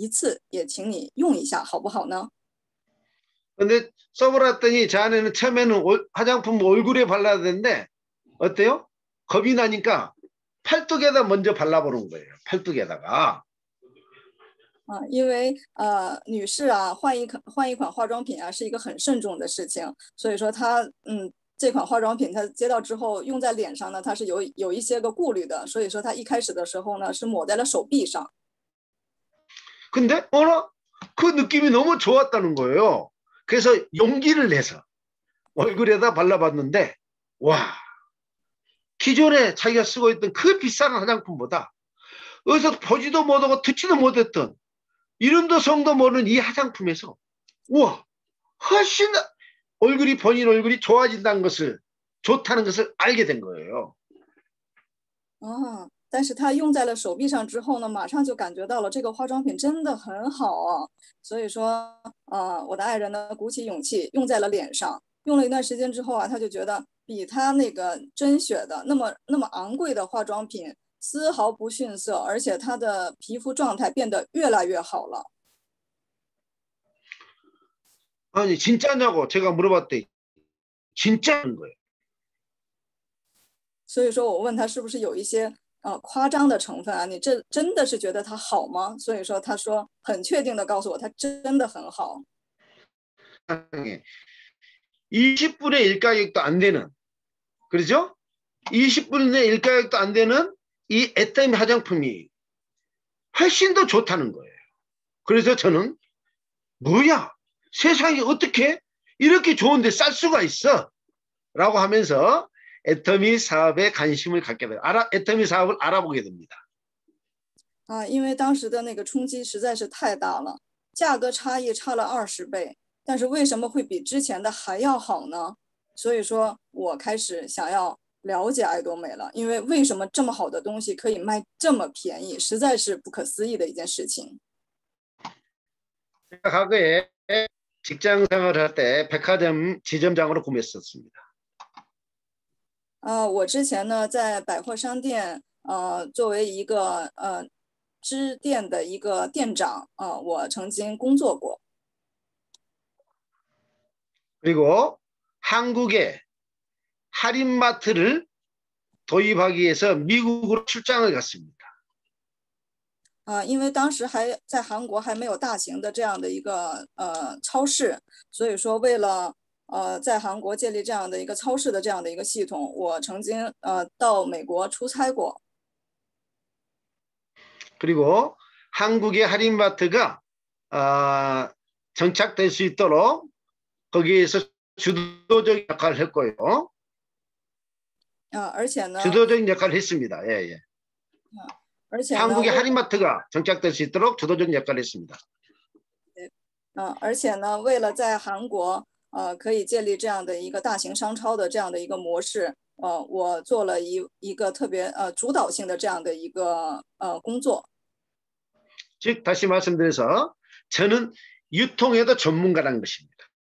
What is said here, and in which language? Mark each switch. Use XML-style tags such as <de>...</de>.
<zh>所以说呢，我们现金顶峰团队的尹恩珠资深营销总监，也就是我的爱人，我对他说呀，虽然你不想用这款产品呢，但是因为我们的大巴司机这样诚恳的嘱托，而且我答应他了，一定会使用的。所以说你哪怕用一次也请你用一下，好不好呢？</zh> <ko>근데 써보랬더니 제 아내는 처음에는 화장품 얼굴에 발라야 되는데 어때요? 겁이 나니까 팔뚝에다 먼저 발라보는 거예요. 팔뚝에다가.</ko> <zh>因为女士啊，换一款化妆品啊，是一个很慎重的事情，所以说她这款化妆品她接到之后用在脸上呢，她是有一些个顾虑的，所以说她一开始的时候呢，是抹在了手臂上。</zh> <ko>근데 어라? 그 느낌이 너무 좋았다는 거예요. 그래서 용기를 내서 얼굴에다 발라봤는데, 와, 기존에 자기가 쓰고 있던 그 비싼 화장품보다 어디서 보지도 못하고 듣지도 못했던 이름도 성도 모르는 이 화장품에서, 와, 훨씬 얼굴이, 본인 얼굴이 좋아진다는 것을, 좋다는 것을 알게 된 거예요.</ko> <zh>但是他用在了手臂上之后呢，马上就感觉到了这个化妆品真的很好啊。所以说，我的爱人呢鼓起勇气用在了脸上。用了一段时间之后啊，他就觉得比他那个真雪的那么昂贵的化妆品丝毫不逊色，而且他的皮肤状态变得越来越好了。</zh> <ko>아니 진짜냐고 제가 물어봤대. 진짜인 거예요.</ko> <zh>所以说我问他是不是有一些。夸张的成分啊，你这真的是觉得它好吗？所以说，他说很确定的告诉我，它真的很好。</zh> <ko>20분의 1 가격도 안 되는, 그렇죠? 20분의 1 가격도 안 되는 이 애터미 화장품이 훨씬 더 좋다는 거예요. 그래서 저는 뭐야? 세상에 어떻게 이렇게 좋은데 쌀 수가 있어? 라고 하면서 애터미 사업에 관심을 갖게 돼요. 애터미 사업을 알아보게 됩니다.</ko> <zh>因为当时的那个冲击实在是太大了，价格差异差了20倍，但是为什么会比之前的还要好呢？所以说我开始想要了解爱多美了，因为为什么这么好的东西可以卖这么便宜，实在是不可思议的一件事情。</zh> <ko>제가 과거에 직장 생활을 할때 백화점 지점장으로 근무했었습니다.</ko> <zh>我之前呢在百货商店，作为一个支店的一个店长，我曾经工作过。</zh> <ko>그리고 한국에 할인마트를 도입하기 위해서 미국으로 출장을 갔습니다.</ko> <zh>因为当时还在韩国还没有大型的这样的一个超市，所以说为了在韩国建立这样的一个超市的这样的一个系统，我曾经到美国出差过。</zh> <ko>그리고 한국의 할인마트가 정착될 수 있도록 거기에서 주도적인 역할을 했고요. 주도적인 역할을 했습니다. 예. 한국의 할인마트가 정착될 수 있도록 주도적인 역할을 했습니다.</ko> <zh>而且呢，为了在韩国，可以建立这样的一个大型商超的这样的一个模式，我做了一个特别主导性的这样的一个工作。</zh> <ko>즉, 다시 말씀드려서 저는 유통에도 전문가라는 것입니다.</ko>